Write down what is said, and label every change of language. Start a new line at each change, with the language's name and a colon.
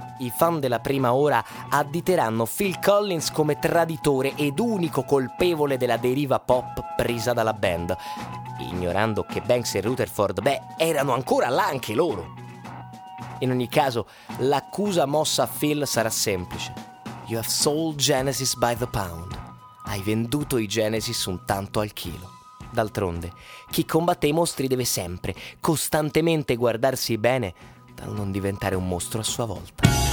Italian: I fan della prima ora additeranno Phil Collins come traditore ed unico colpevole della deriva pop presa dalla band, ignorando che Banks e Rutherford, beh, erano ancora là anche loro. In ogni caso, l'accusa mossa a Phil sarà semplice.
English: You have sold Genesis by the pound.
Italian: Hai venduto i Genesis un tanto al chilo. D'altronde, chi combatte i mostri deve sempre, costantemente guardarsi bene dal non diventare un mostro a sua volta.